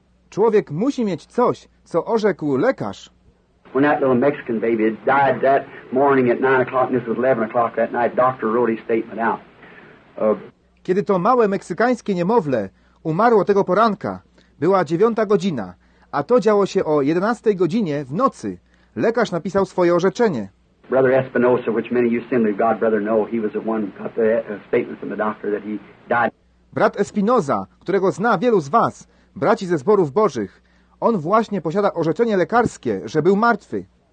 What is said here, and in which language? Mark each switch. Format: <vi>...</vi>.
<pl>Człowiek musi mieć coś, co orzekł lekarz.</pl> <en>When that little Mexican baby died that morning at 9 o'clock, and this was 11 o'clock that night, doctor wrote his statement out.</en> <pl>Kiedy to małe meksykańskie niemowlę umarło tego poranka, była 9 godzina, a to działo się o 11 godzinie w nocy. Lekarz napisał swoje orzeczenie.</pl> <en>Brother Espinosa, which many of you Assembly of God brother know, he was the one who got the statement from the doctor that he died.</en> <pl>Brat Espinosa, którego zna wielu z was, braci ze zborów Bożych. On właśnie posiada orzeczenie lekarskie, że był martwy.</pl>